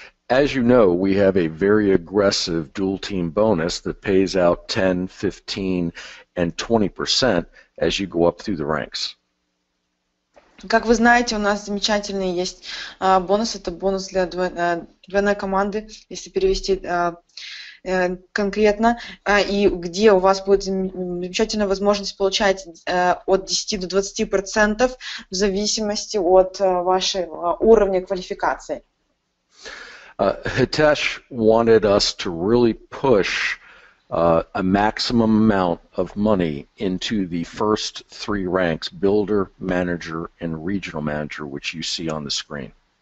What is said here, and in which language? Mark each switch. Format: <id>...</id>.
<en>As you know, we have a very aggressive dual team bonus that pays out 10, 15, and 20% as you go up through the ranks.</en> <ru>Как вы знаете, у нас замечательный есть бонус. Это бонус для двойной команды, если перевести конкретно, и где у вас будет замечательная возможность получать от 10 до 20% в зависимости от вашего уровня квалификации.</ru> <en>Hitesh wanted us to really push a maximum amount of money into the first three ranks, builder, manager, and regional manager, which you see on the screen.</en>